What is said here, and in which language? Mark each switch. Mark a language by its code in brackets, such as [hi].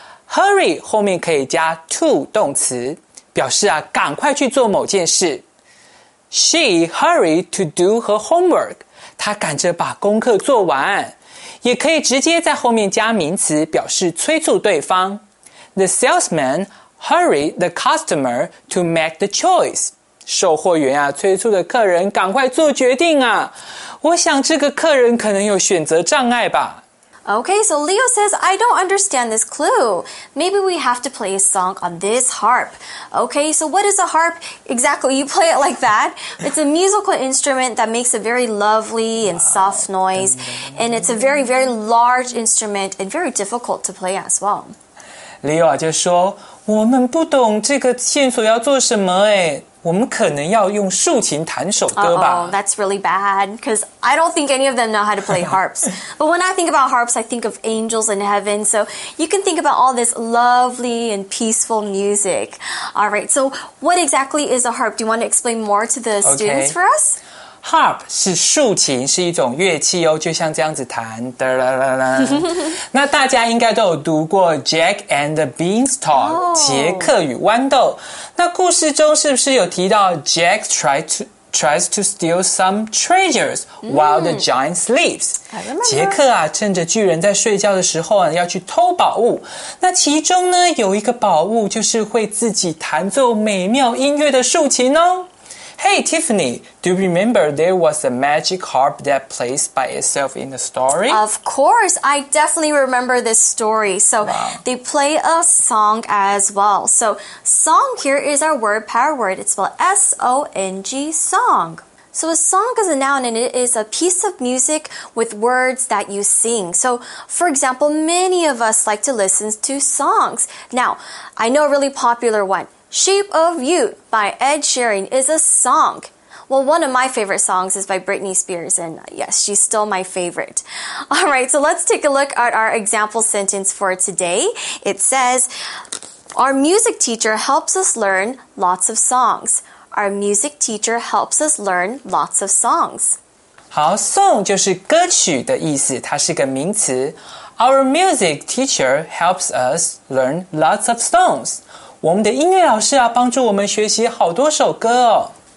[zh] hurry 后面可以加 to 动词，表示啊赶快去做某件事。 [en] She hurried to do her homework， [zh] 她赶着把功课做完。也可以直接在后面加名词，表示催促对方。 [en] The salesman hurried the customer to make the choice. [zh] 售货员啊，催促的客人赶快做决定啊。我想这个客人可能有选择障碍吧。 [en] Okay, so Leo says, I don't understand this clue. Maybe we have to play a song on this harp. Okay, so what is a harp exactly? You play it like that. It's a musical instrument that makes a very lovely and soft noise. And it's a very, very large instrument and very difficult to play as well. [zh] Leo 就说，我们不懂这个线索要做什么诶，我们可能要用竖琴弹首歌吧。 [en] Oh, that's really bad, because I don't think any of them know how to play harps. But when I think about harps, I think of angels in heaven, so you can think about all this lovely and peaceful music. All right, so what exactly is a harp? Do you want to explain more to the students for us? [zh] Harp 是竖琴，是一种乐器哦，就像这样子弹。哒啦啦啦那大家应该都有读过 Jack and the Beanstalk，杰克与豌豆。那故事中是不是有提到 [en] Jack tries to steal some treasures while the giant sleeps？ [zh] 杰克啊，趁着巨人在睡觉的时候啊，要去偷宝物。那其中呢，有一个宝物就是会自己弹奏美妙音乐的竖琴哦。 [en] Hey, Tiffany, do you remember there was a magic harp that plays by itself in the story? Of course, I definitely remember this story. So, they play a song as well. So, song here is our word, power word. It's spelled S-O-N-G, song. So a song is a noun, and it is a piece of music with words that you sing. So, for example, many of us like to listen to songs. Now, I know a really popular one. Shape of You by Ed Sheeran is a song. Well, one of my favorite songs is by Britney Spears, and yes, she's still my favorite. All right, so let's take a look at our example sentence for today. It says, our music teacher helps us learn lots of songs. Our music teacher helps us learn lots of songs. [zh] 好 ,song 就是歌曲的意思,它是个名词。 [en] Our music teacher helps us learn lots of songs. [zh] 我们的音乐老师啊,帮助我们学习好多首歌哦。